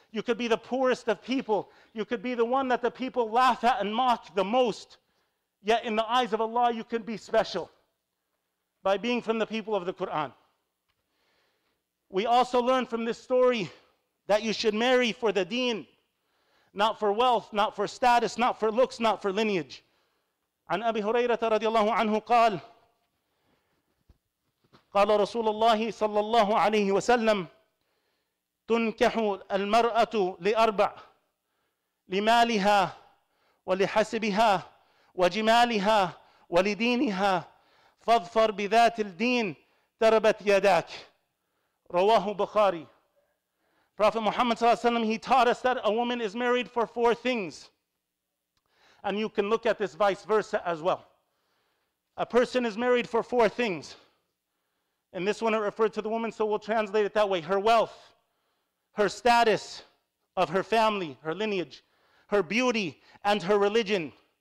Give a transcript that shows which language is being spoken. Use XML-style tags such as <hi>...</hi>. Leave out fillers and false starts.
<en>You could be the poorest of people. You could be the one that the people laugh at and mock the most. Yet in the eyes of Allah, you can be special by being from the people of the Quran. We also learn from this story that you should marry for the deen, not for wealth, not for status, not for looks, not for lineage.</en> <ar>عن أبي هريرة رضي الله عنه قال قال رسول الله صلى الله عليه وسلم تنكح المرأة لأربع لمالها ولحسبها وجمالها ولدينها فاظفر بذات الدين تربت يداك رواه بخاري.</ar> <en>Prophet Muhammad sallallahu alaihi wasallam, he taught us that a woman is married for four things. And you can look at this vice versa as well. A person is married for four things. In this one, it referred to the woman, so we'll translate it that way. Her wealth, her status of her family, her lineage, her beauty, and her religion.</en>